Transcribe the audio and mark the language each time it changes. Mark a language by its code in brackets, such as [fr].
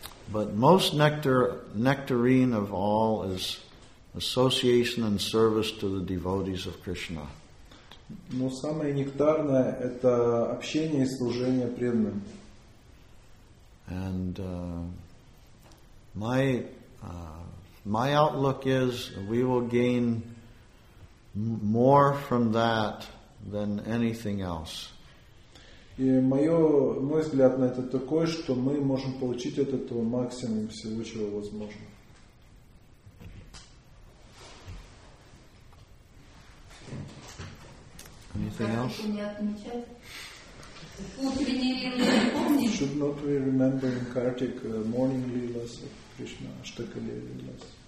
[en] But most nectarine of all is association and service to the devotees of Krishna. [ru] Но самое нектарное – это общение и служение преданным. [en] And my outlook is we will gain more from that than anything else. [ru] И мой взгляд на это такой, что мы можем получить от этого максимум всего, чего возможно. [en] Anything else? Should not we remember in Kartik morning lilas of Krishna, Ashtakali lilas?